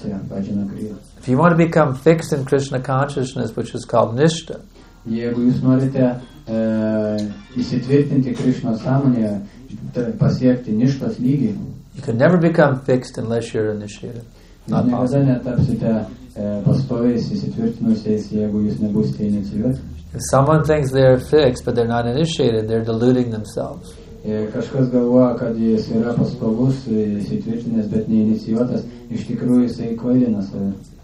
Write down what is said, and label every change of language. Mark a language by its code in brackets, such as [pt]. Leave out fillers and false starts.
[en] If you want to become fixed in Krishna consciousness, which is called nishta, [lt] jeigu jūs norite įsitvirtinti Krishna sąmonėje, pasiekti nishtos lygį. [en] You can never become fixed unless you're initiated. Not possible. [lt] Niekada netapsite pastoviais įsitvirtinusiais, jeigu jūs nebūsite inicijuoti. [en] If someone thinks they're fixed, but they're not initiated, they're deluding themselves. [lt] Kažkas galvoja, kad jis yra pastovus įsitvirtinęs, bet neinicijuotas, iš tikrųjų jisai kvailina save.